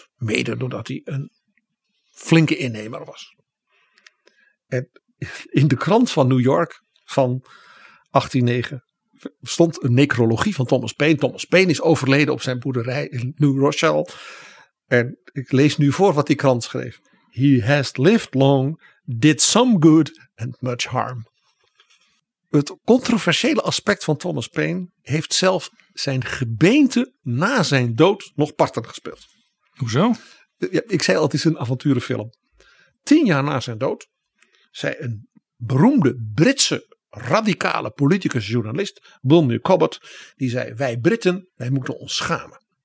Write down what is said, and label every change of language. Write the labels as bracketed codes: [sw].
[nl] Mede doordat hij een flinke innemer was. En in de krant van New York van 1809 stond een necrologie van Thomas Paine. Thomas Paine is overleden op zijn boerderij in New Rochelle. En ik lees nu voor wat die krant schreef. [en] He has lived long, did some good and much harm. [nl] Het controversiële aspect van Thomas Paine heeft zelf zijn gebeente na zijn dood nog parten gespeeld. Hoezo? Ja, ik zei al, het is een avonturenfilm. 10 jaar na zijn dood zei een beroemde Britse radicale politicus journalist, Wilmer Cobbett, die zei, wij Britten, wij moeten ons schamen.